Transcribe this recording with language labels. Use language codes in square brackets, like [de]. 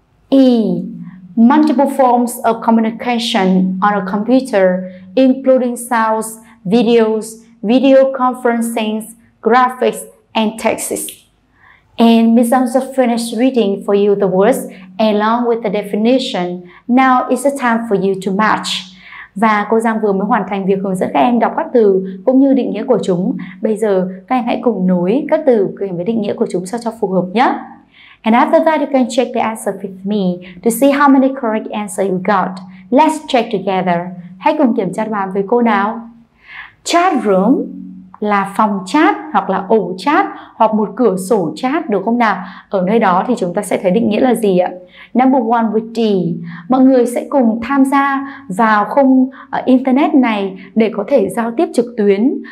[en] E, multiple forms of communication on a computer, including sounds, videos, video conferencing, graphics, and texts. And Ms. Giang just finished reading for you the words along with the definition. Now it's the time for you to match. [vi] Và cô Giang vừa mới hoàn thành việc hướng dẫn các em đọc các từ cũng như định nghĩa của chúng. Bây giờ các em hãy cùng nối các từ kèm với định nghĩa của chúng sao cho phù hợp nhé. [en] And after that, you can check the answer with me to see how many correct answers you got. Let's check together. [vi] Hãy cùng kiểm tra bài với cô nào. Chat room, là phòng chat hoặc là ổ chat hoặc một cửa sổ chat, được không nào? Ở nơi đó thì chúng ta sẽ thấy định nghĩa là gì ạ? [en] Number one with D, [vi] mọi người sẽ cùng tham gia vào khung internet này để có thể giao tiếp trực tuyến.